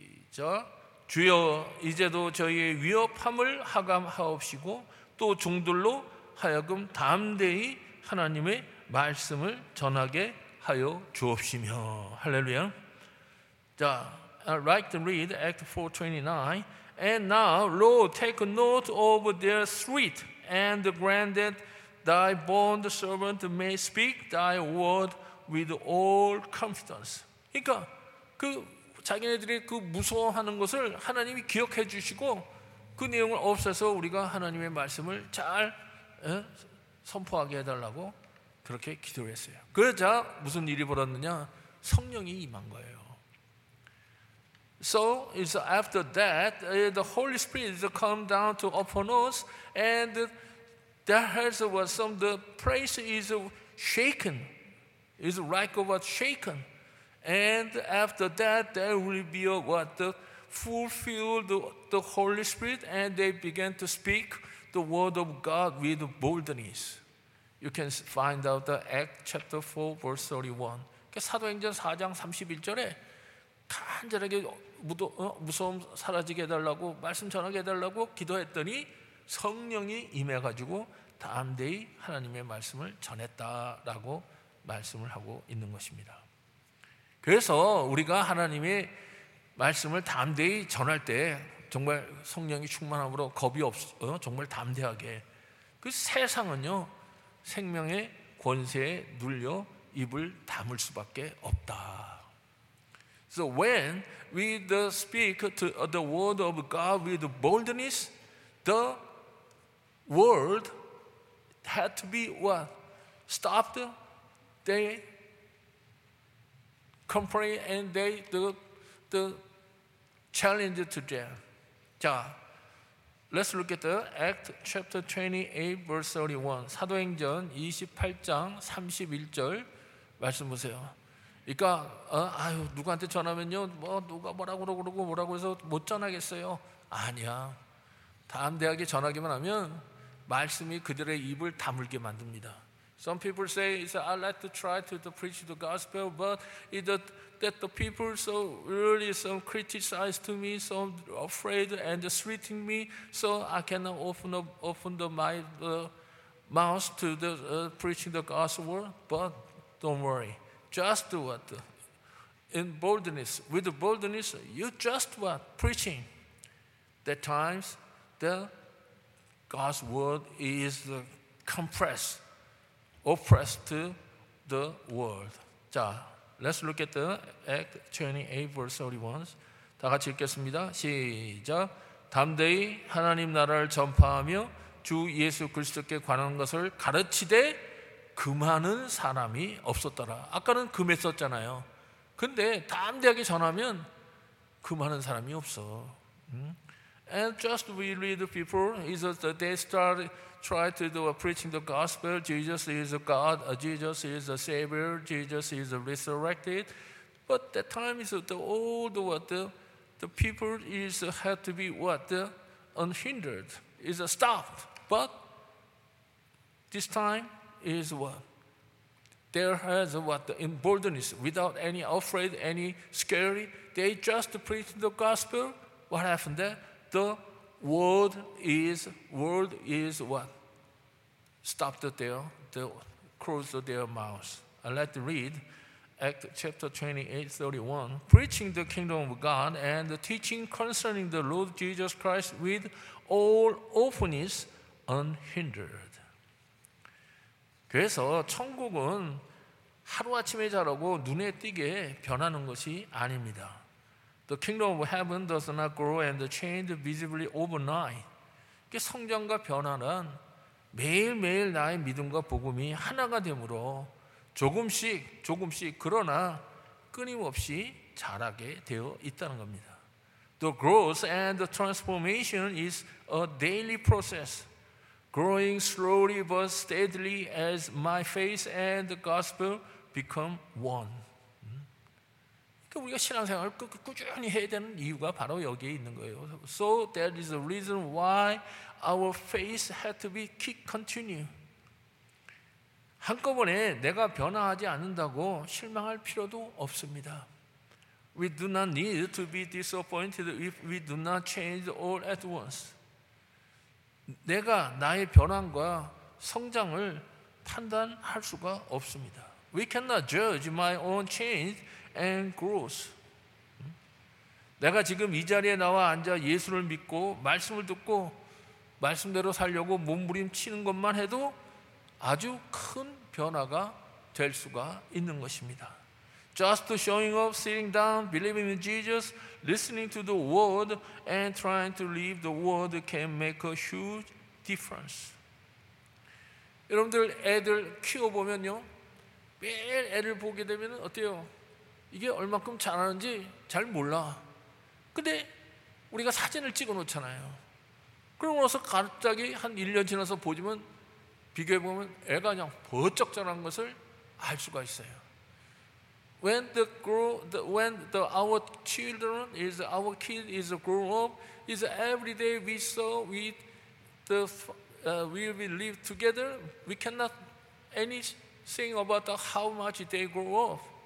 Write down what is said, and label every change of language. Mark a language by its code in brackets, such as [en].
[ko] 시작. 주여, 이제도 저희의 위협함을 하감하옵시고 또 종들로 하여금 담대히 하나님의 말씀을 전하게 하여 주옵시며. 할렐루야. 자, [en] I'd like to read Acts 4:29. And now, Lord, take note of their threat, and grant that thy bond servant may speak thy word with all confidence. [ko] 그러니까 그 자기네들이 그 무서워하는 것을 하나님이 기억해 주시고 그 내용을 없애서 우리가 하나님의 말씀을 잘 선포하게 해달라고 그렇게 기도를 했어요. 그러자 무슨 일이 벌었느냐? 성령이 임한 거예요. [en] So it's after that the Holy Spirit come down to upon us and there has was some the praise is shaken, is like what shaken. And after that, there will be a, what the fulfilled the Holy Spirit, and they began to speak the word of God with boldness. You can find out the Acts chapter 4, verse 31. [ko] 사도행전 4장 31절에 간절하게 무서움 사라지게 해달라고 말씀 전하게 해달라고 기도했더니 성령이 임해가지고 담대히 하나님의 말씀을 전했다라고 말씀을 하고 있는 것입니다. 그래서 우리가 하나님의 말씀을 담대히 전할 때 정말 성령이 충만함으로 겁이 없어 정말 담대하게 그 세상은요 생명의 권세에 눌려 입을 담을 수밖에 없다. [en] So when we speak to the word of God with boldness, the world had to be what? Stopped. They complain and they the challenge to them. [ko] 자, [en] let's look at the Act chapter 28 verse 31. [ko] 사도행전 28장 31절 말씀 보세요. 그러니까 아유 누구한테 전하면요 뭐 누가 뭐라고 그러고 뭐라고 해서 못 전하겠어요. 아니야. 다음 대학에 전하기만 하면 말씀이 그들의 입을 다물게 만듭니다. [en] Some people say, "I'd like to try to preach the gospel, but that the people so really some criticize to me, so afraid and treating me, so I cannot open my mouth to the preaching the gospel." But don't worry, just what in boldness, with boldness, you just what preaching. That times the God's word is compressed, oppressed to the world. [ko] 자, [en] let's look at the Act 28 verse 31. [ko] 다 같이 읽겠습니다. 시작. 담대히 하나님 나라를 전파하며 주 예수 그리스도께 관한 것을 가르치되 금하는 사람이 없었더라. 아까는 금했었잖아요. 근데 담대하게 전하면 금하는 사람이 없어. [en] And just we read the people is that they start try to do preaching the gospel. Jesus is a God. Jesus is a Savior. Jesus is resurrected. But that time is the old what the people is had to be what unhindered is stopped. But this time is what there has what in boldness without any afraid any scary. They just preach the gospel. What happened there? The world is what? Stopped there, they closed their mouths. I like to read Act chapter 28, 31. Preaching the kingdom of God and the teaching concerning the Lord Jesus Christ with all openness unhindered. [ko] 그래서 천국은 하루아침에 자라고 눈에 띄게 변하는 것이 아닙니다. [en] The kingdom of heaven does not grow and change visibly overnight. [ko] 성장과 변화는 매일매일 나의 믿음과 복음이 하나가 되므로 조금씩 그러나 끊임없이 자라게 되어 있다는 겁니다. [en] The growth and the transformation is a daily process, growing slowly but steadily as my faith and the gospel become one. [ko] 우리가 신앙생활을 꾸준히 해야 되는 이유가 바로 여기에 있는 거예요. [en] So that is the reason why our faith had to be keep continue. [ko] 한꺼번에 내가 변화하지 않는다고 실망할 필요도 없습니다. [en] We do not need to be disappointed if we do not change all at once. [ko] 내가 나의 변화와 성장을 판단할 수가 없습니다. [en] We cannot judge my own change and growth. [ko] 내가 지금 이 자리에 나와 앉아 예수를 믿고 말씀을 듣고 말씀대로 살려고 몸부림치는 것만 해도 아주 큰 변화가 될 수가 있는 것입니다. [en] Just showing up, sitting down, believing in Jesus, listening to the word and trying to live the word can make a huge difference. [ko] 여러분들 애들 키워보면요 매일 애를 보게 되면 어때요? 이게 얼만큼 잘하는지 잘 몰라. 근데 우리가 사진을 찍어놓잖아요. 그러고 나서 갑자기 한 1년 지나서 보지만 비교해보면 애가 그냥 번쩍 자란 것을 알 수가 있어요. [en] When our kids grow up, every day we live together, we cannot anything about the, how much they grow up.